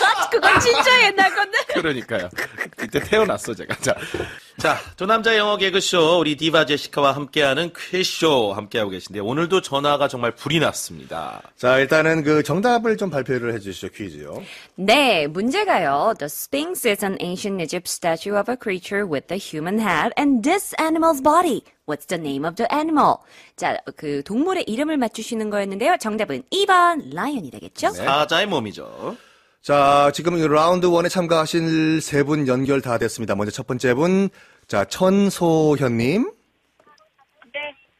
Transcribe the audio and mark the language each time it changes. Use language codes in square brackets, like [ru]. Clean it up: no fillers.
[ko] 그건 진짜 옛날 건데. 그러니까요. 그때 태어났어, 제가. 자. 자, 조남자 영어 개그쇼, 우리 디바 제시카와 함께하는 퀴쇼 함께하고 계신데, 오늘도 전화가 정말 불이 났습니다. 자, 일단은 그 정답을 좀 발표를 해주시죠, 퀴즈요. 네, 문제가요. [en] The Sphinx is an ancient Egypt statue of a creature with a human head and this animal's body. What's the name of the animal? [ko] 자, 그 동물의 이름을 맞추시는 거였는데요. 정답은 2번, 라이언이 되겠죠? 네. 사자의 몸이죠. 자, 지금 라운드 1에 참가하신 세 분 연결 다 됐습니다. 먼저 첫 번째 분, 자, 천소현님. 네.